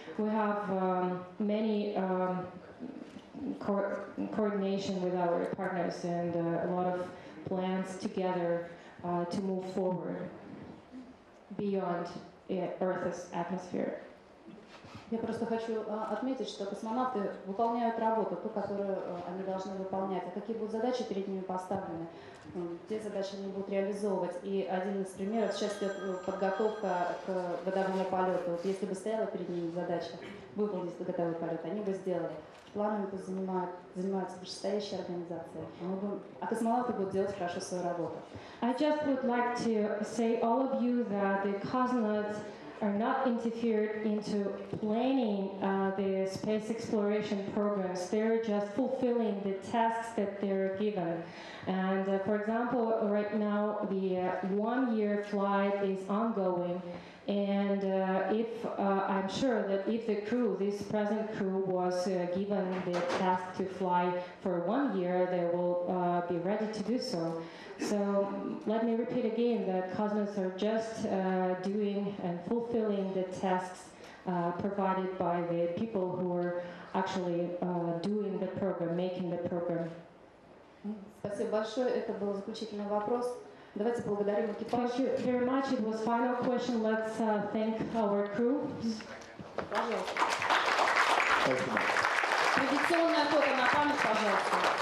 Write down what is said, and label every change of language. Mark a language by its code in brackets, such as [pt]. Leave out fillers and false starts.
[en] We have many coordination with our partners and a lot of plans together to move forward beyond Earth's atmosphere. [ru] Я просто хочу отметить, что космонавты выполняют работу, ту, которую они должны выполнять. А какие будут задачи перед ними поставлены, те задачи они будут реализовывать. И один из примеров, сейчас идет подготовка к годовому полету. Вот если бы стояла перед ними задача выполнить годовой полет, они бы сделали. Планами бы занимаются предстоящие организации. А космонавты будут делать хорошо свою работу. [en] I just would like to say all of you that the cosmonauts are not interfered into planning the space exploration programs. They're just fulfilling the tasks that they're given. And for example, right now the one-year flight is ongoing. And if I'm sure that if the crew, this present crew, was given the task to fly for 1 year, they will be ready to do so. So let me repeat again that cosmonauts are just doing and fulfilling the tasks provided by the people who are actually doing the program, making the program. [ru] Спасибо большое. Это был заключительный вопрос. Давайте поблагодарим экипаж. [en] Thank you very much. It was final question. Let's thank our crew. [ru] Пожалуйста. Традиционная фото на память, пожалуйста.